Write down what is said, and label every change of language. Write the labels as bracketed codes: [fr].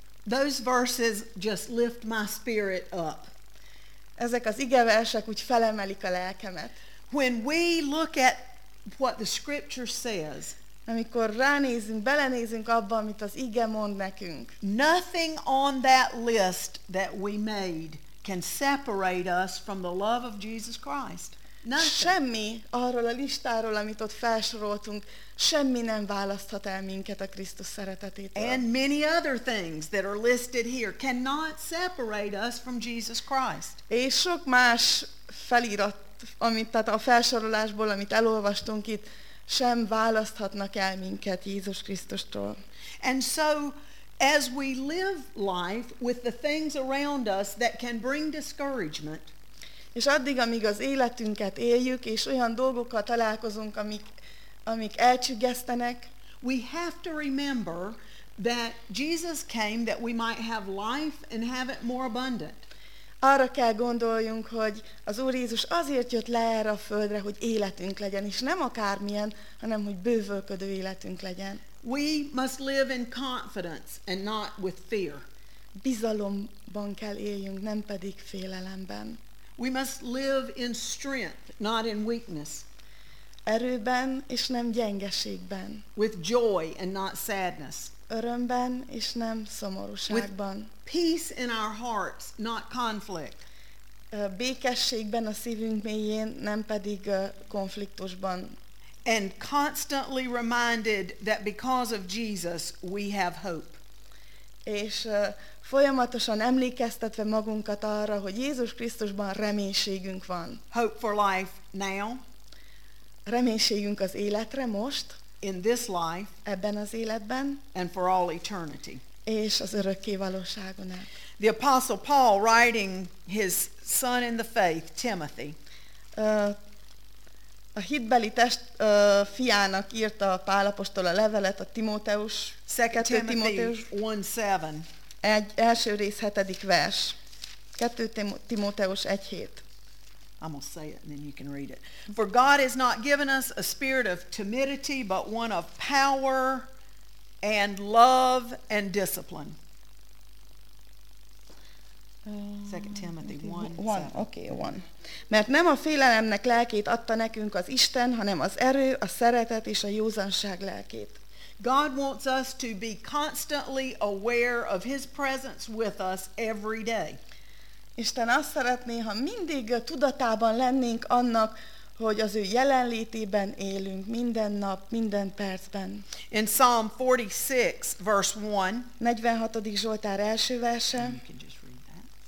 [en] Those verses just lift my spirit up. [hu] Ezek az igeversek úgy felemelik a lelkemet. [en] When we look at what the scripture says. [hu] Amikor ránézünk, belenézünk abba, amit az ige mond nekünk. [en] Nothing on that list that we made can separate us from the love of Jesus Christ. Nothing. [hu] Semmi arról a listáról, amit ott felsoroltunk, semmi nem választhat el minket a Krisztus szeretetétől. [en] And many other things that are listed here cannot separate us from Jesus Christ. [hu] És sok más felirat, amit tehát a felsorolásból, amit elolvastunk itt, sem választhatnak el minket Jézus Krisztustól. [en] And so as we live life with the things around us that can bring discouragement. [hu] És addig, amíg az életünket éljük, és olyan dolgokkal találkozunk, amik elcsüggesztenek, [en] we have to remember that Jesus came that we might have life and have it more abundant. [hu] Arra kell gondoljunk, hogy az Úr Jézus azért jött le erre a földre, hogy életünk legyen, és nem akármilyen, hanem hogy bővölködő életünk legyen. [en] We must live in confidence and not with fear. [hu] Bizalomban kell éljünk, nem pedig félelemben. [en] We must live in strength, not in weakness. [hu] Erőben és nem gyengeségben. [en] With joy and not sadness. [hu] Örömben és nem szomorúságban. [en] With peace in our hearts, not conflict. [hu] Békességben a szívünk mélyén, nem pedig konfliktusban. [en] And constantly reminded that because of Jesus we have hope. [hu] És folyamatosan emlékeztetve magunkat arra, hogy Jézus Krisztusban reménységünk van. [en] Hope for life now. [hu] Reménységünk az életre most. [en] In this life. [hu] Ebben az életben. [en] And for all eternity. [hu] És az örökké valóságon át. [en] The Apostle Paul writing his son in the faith, Timothy. [hu] A hitbeli test fiának írta a Pál apostol a levelet, a Timóteus. 2 Timóteus 1:7. Egy első rész, 7. vers. 2 Timóteus 1:7. [en] I'm going to say it and then you can read it. For God has not given us a spirit of timidity, but one of power and love and discipline. 2 Timothy 1:7. [hu] Mert nem a félelemnek lelkét adta nekünk az Isten, hanem az erő, a szeretet és a józanság lelkét. [en] God wants us to be constantly aware of his presence with us every day. [hu] Isten azt szeretné, ha mindig tudatában lennénk annak, hogy az ő jelenlétében élünk minden nap, minden percben. [en] In Psalm 46, verse 1. [hu] 46. Zsoltár első verse. [en] You can just read that.